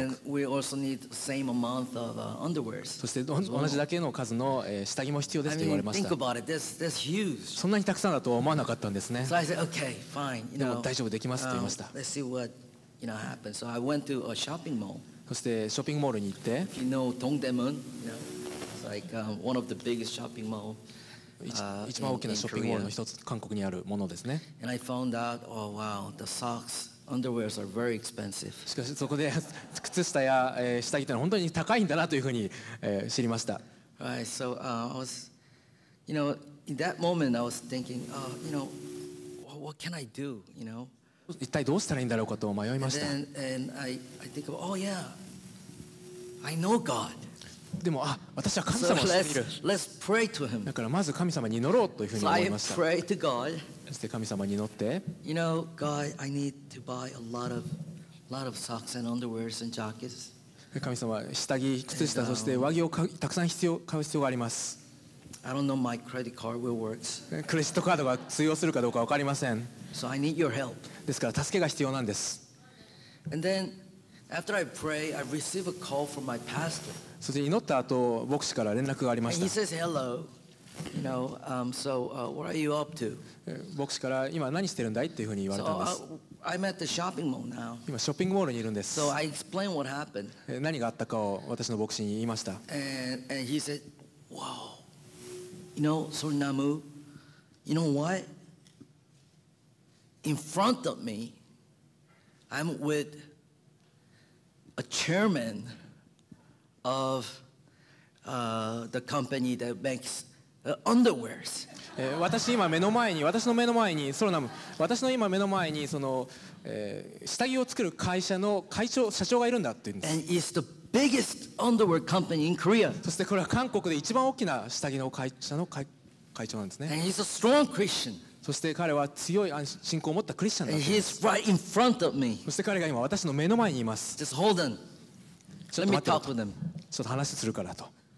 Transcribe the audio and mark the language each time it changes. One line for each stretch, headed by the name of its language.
English: And we also need the same amount of underwears.
Japanese: そして同じだけの数の下着も必要ですと言われました。
English: I mean, think about it. That's huge.
Japanese: そんなにたくさんだとは思わなかったんですね。
English: So I said, okay, fine. You know,
Japanese: 大丈夫できますと言いました。
English: Let's see what, you know, happens. So I went to a shopping mall.
Japanese: そしてショッピングモールに行って。
English: You know, Dongdaemun. You know, it's like one of the biggest shopping mall.
Japanese: 一番大きなショッピングモールの一つ韓国にあるものですね。
English: And I found out, oh wow, the socks, underwears are very expensive.
Japanese: しかしそこで靴下や下着というのは本当に高いんだなというふうに知りました。
English: Right, so I was, you know, in that moment I was thinking, you know, what can I do, you know?
Japanese: 一体どうしたらいいんだろうかと迷いました。
English: And I think, oh yeah, I know God.
Japanese: でも私は神様を知っている。
English: So、let's pray to him.
Japanese: だからまず神様に祈ろうというふうに思いました。
English: So、I pray to God.
Japanese: そして神様に祈って。
English: You know, God, I need to buy a lot of socks and underwears and jackets.
Japanese: 神様、下着、靴下、そして上着をたくさん買う必要があります。
English: I don't know my credit card will work.
Japanese: クレジットカードが通用するかどうか分かりません。
English: So、I need your help.
Japanese: ですから助けが必要なんです。
English: And then, after I pray, I receive a call from my pastor.
Japanese: そして祈った後、牧師から連絡がありました。
English: And he says, Hello. You know, so, what are you up to?
Japanese: 牧師から今何してるんだいっていうふうに言われたんです。
English: So, I'm at the shopping mall now.
Japanese: 今ショッピングモールにいるんです。
English: So, I explained what happened.
Japanese: 何があったかを私の牧師に言いました。
English: And he said, Wow. You know, Sornamu, you know what? In front of me, I'm with a chairman. Of the company that makes underwears.
Japanese: 私今目の前に私の目の前にソロナム私の今目の前にその、下着を作る会社の会長社長がいるんだって言うんです。
English: And it's the biggest underwear company in Korea.
Japanese: そしてこれは韓国で一番大きな下着の会社の会長なんですね。
English: And he's a strong Christian.
Japanese: そして彼は強い信仰を持ったクリスチャンだ。
English: And he's right in front of me.
Japanese: そして彼が今私の目の前にいます。
English: Just hold on. Let me talk with him.
Japanese: ちょっと話するからと。